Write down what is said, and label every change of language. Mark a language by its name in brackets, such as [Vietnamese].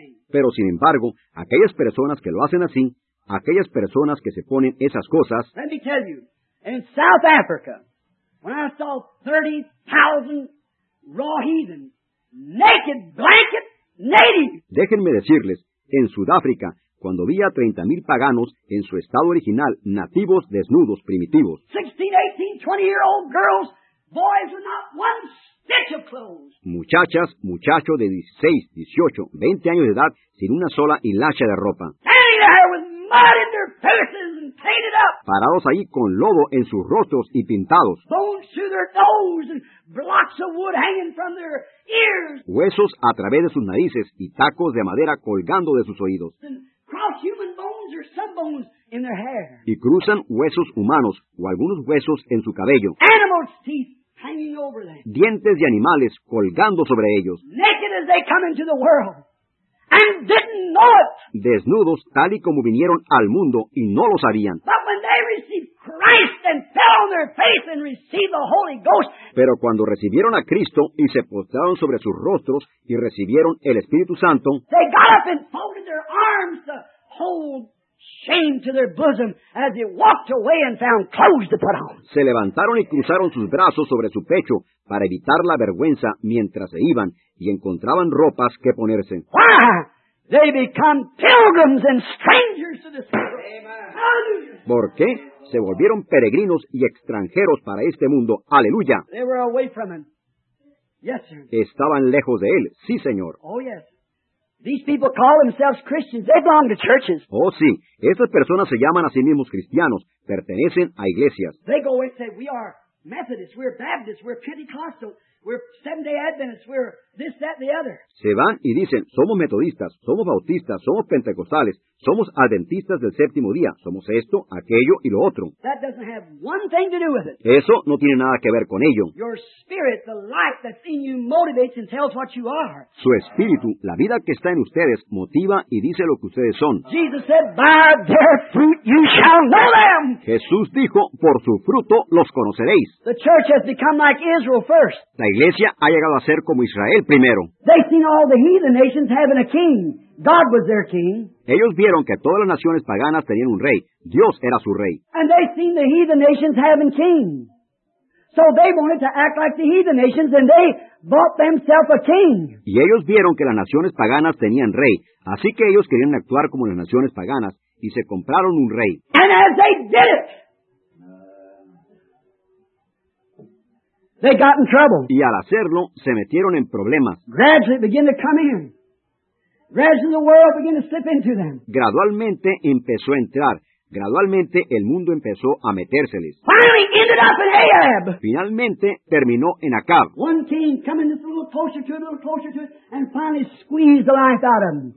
[Spanish] Pero sin embargo, aquellas personas que lo hacen así, aquellas personas que se ponen esas cosas, [English] let me tell you, in South Africa, when I saw 30,000 raw heathen, naked, blanket, native. [Spanish] Déjenme decirles, en Sudáfrica, cuando vi a 30,000 paganos en su estado original, nativos, desnudos, primitivos. [English] 16, 18, 20-year-old girls, boys with not one stitch of clothes. [Spanish] Muchachas, muchachos de 16, 18, 20 años de edad, sin una sola hilacha de ropa. [English] Standing there with mud in their faces and painted up. [Spanish] Parados ahí con lodo en sus rostros y pintados. [English] Bones to their nose and blocks of wood hanging from their ears. [Spanish] Huesos a través de sus narices y tacos de madera colgando de sus oídos. [English] Cross-human bones or some bones in their hair. [Spanish] Y cruzan huesos humanos o algunos huesos en su cabello. [English] Animal's teeth hanging over them. [Spanish] Dientes de animales colgando sobre ellos. [English] Naked as they come into the world. And didn't know it. [Spanish] Desnudos tal y como vinieron al mundo y no lo sabían. [English] But when they received Christ and fell on their face and received the Holy Ghost. [Spanish] Pero cuando recibieron a Cristo y se postraron sobre sus rostros y recibieron el Espíritu Santo. [English] They got up and folded their arms to hold shame to their bosom as they walked away and found clothes to put on. [Spanish] Se levantaron y cruzaron sus brazos sobre su pecho para evitar la vergüenza mientras se iban y encontraban ropas que ponerse. [English] Why? They become pilgrims and strangers to this world. [Spanish] ¿Por qué? Se volvieron peregrinos y extranjeros para este mundo. ¡Aleluya! [English] They were away from him. Yes, sir. [Spanish] Estaban lejos de él. Sí, señor. [English] Oh, yes. These people call themselves Christians. They belong to churches. [Spanish] Oh, sí. Estas personas se llaman a sí mismos cristianos. Pertenecen a iglesias. [English] They go and say, we are Methodists, we're Baptists, we're Pentecostal, we're Seventh-day Adventists, we're this, that, and the other. [Spanish] Se van y dicen, somos metodistas, somos bautistas, somos pentecostales, somos adventistas del séptimo día, somos esto, aquello y lo otro. [English] That doesn't have one thing to do with it. [Spanish] Eso no tiene nada que ver con ello. [English] Your spirit, the life that's in you, motivates and tells what you are. [Spanish] Su espíritu, la vida que está en ustedes, motiva y dice lo que ustedes son. [English] Jesus said, by their fruit you shall know them. [Spanish] Jesús dijo, por su fruto los conoceréis. [English] The church has become like Israel first. [Spanish] La iglesia ha llegado a ser como Israel primero. [English] They seen all the heathen nations having a king. God was their king. [Spanish] Ellos vieron que todas las naciones paganas tenían un rey. Dios era su rey. [English] And they seen the heathen nations having king. So they wanted to act like the heathen nations and they bought themselves a king. [Spanish] Y ellos vieron que las naciones paganas tenían rey. Así que ellos querían actuar como las naciones paganas y se compraron un rey. [English] And as they did it, they got in trouble. [Spanish] Y al hacerlo, se metieron en problemas. [English] Gradually began to come in. Gradually the world began to slip into them. [Spanish] Gradualmente empezó a entrar. Gradualmente el mundo empezó a metérseles. [English] Finally ended up in Ahab. [Spanish] Finalmente terminó en Acab. [English] One king coming just a little closer to it, and finally squeezed the life out of them.